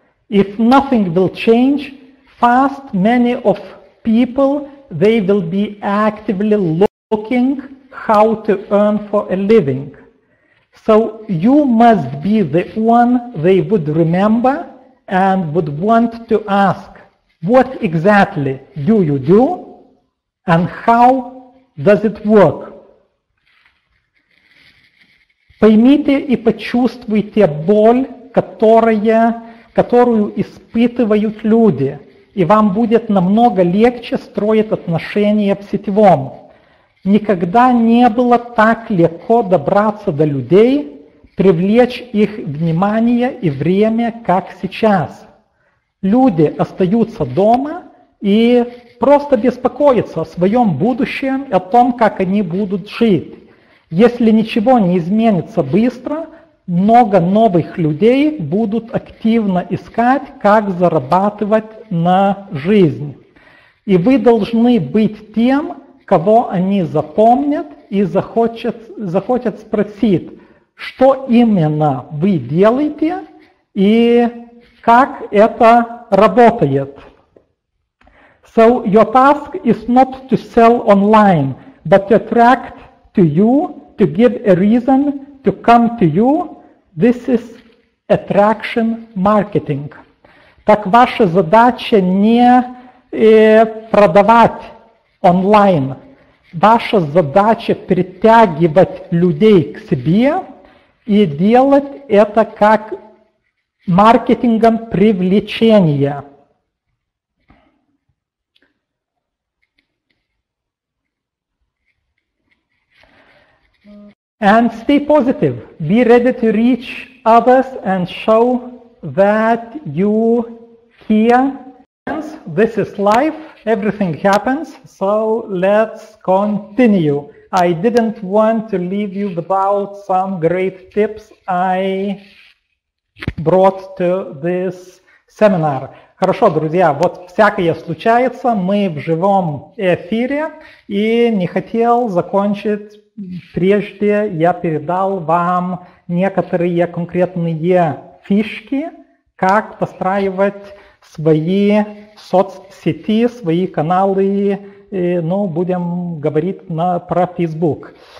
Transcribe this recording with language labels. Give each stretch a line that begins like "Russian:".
English: If nothing will change fast, many of people, they will be actively looking how to earn for a living. So you must be the one they would remember and would want to ask, what exactly do you do and how does it work?
Russian: Поймите и почувствуйте боль, которую испытывают люди, и вам будет намного легче строить отношения в сетевом. Никогда не было так легко добраться до людей, привлечь их внимание и время, как сейчас. Люди остаются дома и просто беспокоятся о своем будущем, о том, как они будут жить. Если ничего не изменится быстро, много новых людей будут активно искать, как зарабатывать на жизнь. И вы должны быть тем, кого они запомнят и захотят спросить, что именно вы делаете и как это работает.
English: So your task is not to sell online, but to attract to you, to give a reason to come to you. This is attraction marketing.
Russian: Так ваша задача не продавать онлайн. Ваша задача притягивать людей к себе и делать это как маркетингом привлечения.
English: And stay positive. Be ready to reach others and show that you care. This is life. Everything happens. So let's continue. I didn't want to leave you without some great tips I brought to this seminar.
Russian: Хорошо, друзья, вот всякое случается. Мы в живом эфире и не хотел закончить. Прежде я передал вам некоторые конкретные фишки, как построивать свои соцсети, свои каналы, ну, будем говорить про Facebook.